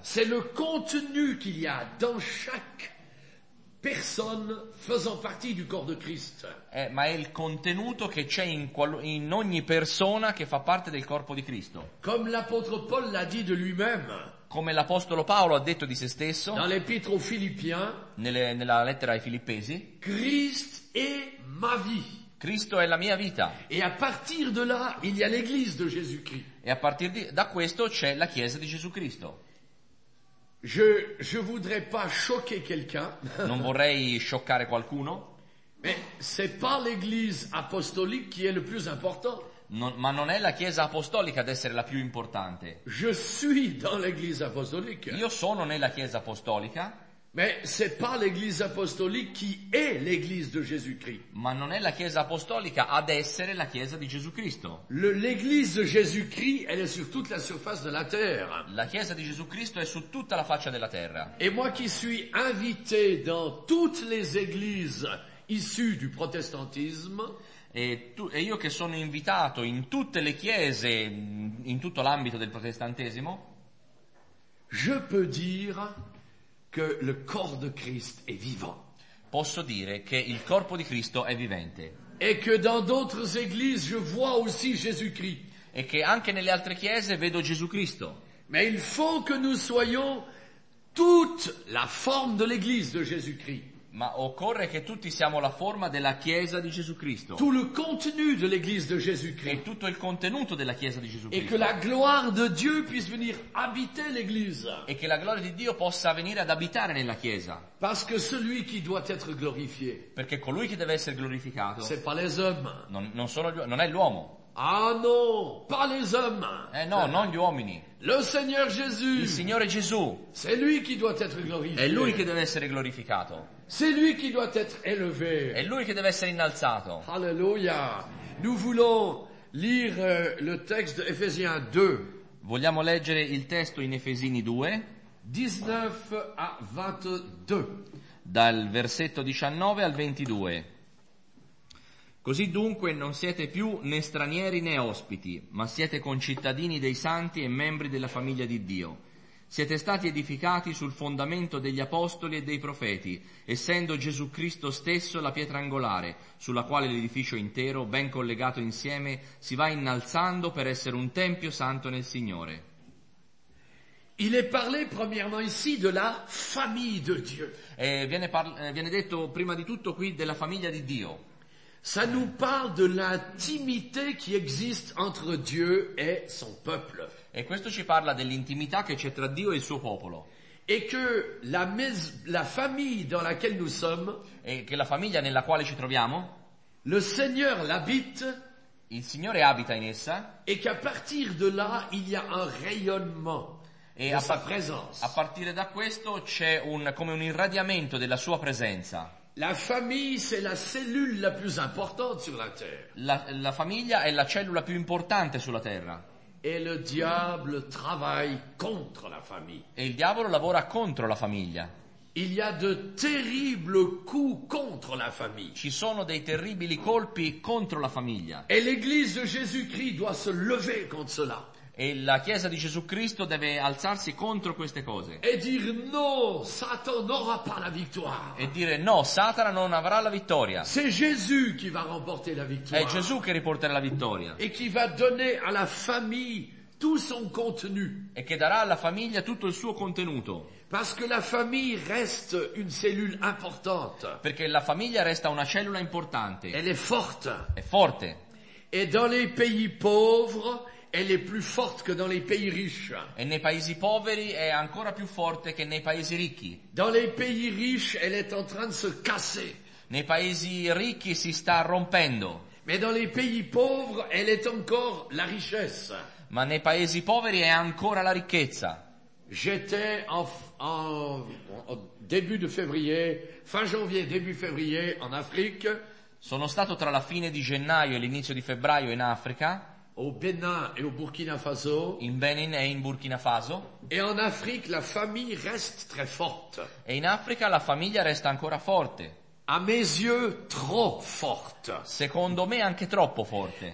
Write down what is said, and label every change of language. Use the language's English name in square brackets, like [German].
[French] C'est le contenu qu'il y a dans chaque personne faisant partie du corps de Christ. [Italian] Ma è il contenuto che c'è in ogni persona che fa parte del corpo di Cristo. [French] Comme l'apôtre Paul l'a dit de lui-même. [Italian] Come l'apostolo Paolo ha detto di se stesso. [French] Dans l'épître aux Philippiens. [Italian] Nella lettera ai Filippesi. [French] Christ est ma vie. [Italian] Cristo è la mia vita. [French] Et à partir de là, il y a l'église de Jésus-Christ. [Italian] E a partire da questo c'è la chiesa di Gesù Cristo. [French] Je voudrais pas choquer quelqu'un. [Italian] Non vorrei scioccare qualcuno. [French] Mais c'est pas l'église apostolique qui est le plus important. [Italian] Ma non è la chiesa apostolica ad essere la più importante. [French] Je suis dans l'église apostolique. [Italian] Io sono nella chiesa apostolica. [French] Mais c'est pas l'église apostolique qui est l'église de Jésus-Christ. [Italian] Ma non è la chiesa apostolica ad essere la chiesa di Gesù Cristo. [French] L'église de Jésus-Christ, elle est sur toute la surface de la terre. [Italian] La chiesa di Gesù Cristo è su tutta la faccia della terra. [French] Et moi qui suis invité dans toutes les églises issues du protestantisme. [Italian] E io che sono invitato in tutte le chiese in tutto l'ambito del protestantesimo. [French] Je peux dire que le corps de Christ est vivant. [Italian] Posso dire che il corpo di Cristo è vivente. [French] Et que dans d'autres églises je vois aussi Jésus-Christ. [Italian] E che anche nelle altre chiese vedo Gesù Cristo. [French] Mais il faut que nous soyons toute la forme de l'église de Jésus-Christ. [Italian] Ma occorre che tutti siamo la forma della chiesa di Gesù Cristo. [French] Tout le contenu de l'église de Jésus-Christ. [Italian] E tutto il contenuto della chiesa di Gesù Cristo. [French] Et que la gloire de Dieu puisse venir habiter l'église. [Italian] E che la gloria di Dio possa venire ad abitare nella chiesa. [French] Parce que celui qui doit être glorifié. [Italian] Perché colui che deve essere glorificato. [French] C'est pas les hommes. [Italian] Non è l'uomo. [French] Ah non, pas les hommes. [Italian] No, non gli uomini. [French] Le Seigneur Jésus. [Italian] Il Signore Gesù. [French] C'est lui qui doit être glorifié. [Italian] È lui che deve essere glorificato. [French] C'est lui qui doit être élevé. [Italian] È lui che deve essere innalzato. Alleluia. [French] Nous voulons lire le texte de Ephésiens 2. [Italian] Vogliamo leggere il testo in Efesini 2. [French] 19 a 22. [Italian] Dal versetto 19 al 22. Così dunque non siete più né stranieri né ospiti, ma siete concittadini dei santi e membri della famiglia di Dio. Siete stati edificati sul fondamento degli apostoli e dei profeti, essendo Gesù Cristo stesso la pietra angolare, sulla quale l'edificio intero, ben collegato insieme, si va innalzando per essere un tempio santo nel Signore. [French] Il est parlé premièrement ici de la famille de Dieu. [Italian] Viene detto prima di tutto qui della famiglia di Dio. [French] Ça nous parle de l'intimité qui existe entre Dieu et son peuple. [Italian] E questo ci parla dell'intimità che c'è tra Dio e il suo popolo. [French] Et que la famille dans laquelle nous sommes. [Italian] E che la famiglia nella quale ci troviamo. [French] Le Seigneur l'habite. [Italian] Il Signore abita in essa. [French] Et qu'à partir de là, il y a un rayonnement de sa présence. [Italian] A partire da questo c'è come un irradiamento della sua presenza. [French] La famille, c'est la cellule la plus importante sur la terre. [Italian] La famiglia è la cellula più importante sulla terra. [French] Et le diable travaille contre la famille. [Italian] E il diavolo lavora contro la famiglia. [French] Il y a de terribles coups contre la famille. [Italian] Ci sono dei terribili colpi contro la famiglia. [French] Et l'église de Jésus-Christ doit se lever contre cela. [Italian] E la chiesa di Gesù Cristo deve alzarsi contro queste cose. [French] Et dire non, Satan n'aura pas la victoire. [Italian] E dire no, Satana non avrà la vittoria. [French] C'est Jésus qui va remporter la victoire. [Italian] È Gesù che riporterà la vittoria. [French] Et qui va donner à la famille tout son contenu. [Italian] E che darà alla famiglia tutto il suo contenuto. [French] Parce que la famille reste une cellule importante. [Italian] Perché la famiglia resta una cellula importante. [French] Elle est forte. [Italian] È forte. [French] Et dans les pays pauvres. Elle est plus forte que dans les pays riches. [Italian] E nei paesi poveri è ancora più forte che nei paesi ricchi. [French] Dans les pays riches, elle est en train de se casser. [Italian] Nei paesi ricchi si sta rompendo. [French] Mais dans les pays pauvres, elle est encore la richesse. [Italian] Ma nei paesi poveri è ancora la ricchezza. [French] J'étais fin janvier, début février en Afrique. [Italian] Sono stato tra la fine di gennaio e l'inizio di febbraio in Africa. [French] Au Bénin et au Burkina Faso. [Italian] In Benin e in Burkina Faso. [French] Et en Afrique, la famille reste très forte. [Italian] E in Africa la famiglia resta ancora forte. [French] À mes yeux, trop forte. [Italian] Secondo me anche troppo forte.